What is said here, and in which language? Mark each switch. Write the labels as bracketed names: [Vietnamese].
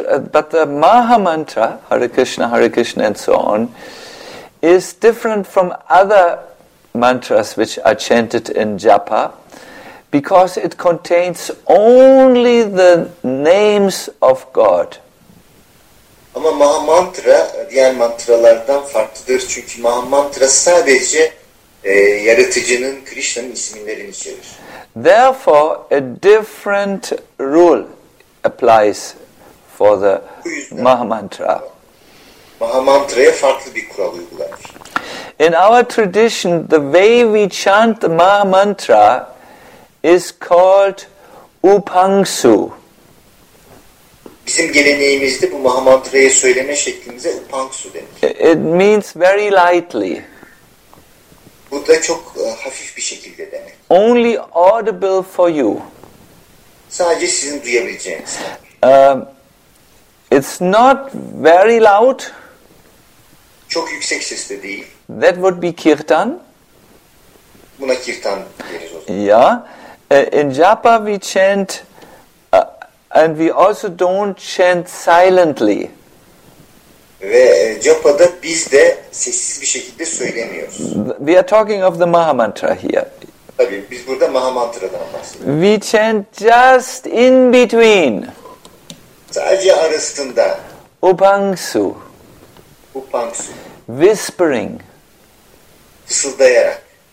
[English] But the Maha Mantra, Hare Krishna and so on, is different from other mantras which are chanted in japa because it contains only the names of God. [Turkish] Ama Maha Mantra diğer mantralardan farklıdır çünkü Maha Mantra sadece yaratıcının Krishna'nın isimlerini içerir. [English] Therefore a different rule applies for the Maha Mantra. [Turkish] Maha Mantra'ya farklı bir kural uygulanır. [English] In our tradition, the way we chant the Maha Mantra is called Upangsu. [Turkish] Bizim geleneğimizde bu Maha Mantra'yı söyleme şeklimize Upangsu denir. [English] It means very lightly. [Turkish] Bu da çok hafif bir şekilde demek. [English] Only audible for you. [Turkish] Sadece sizin duyabileceğiniz. [English] It's not very loud. [Turkish] Çok yüksek sesle değil. [English] That would be kirtan. [Turkish] Buna kirtan deriz o zaman. [English] Yeah. In japa we chant and we also don't chant silently. [Turkish] Ve japada biz de sessiz bir şekilde söylemiyoruz. [English] We are talking of the Maha Mantra here. [Turkish] Tabii biz burada Maha Mantra'dan bahsediyoruz. [English] We chant just in between. [Turkish] Sadece arasında. [English] Upangsu. Upangsu. Whispering. [Turkish] Fısıldayarak.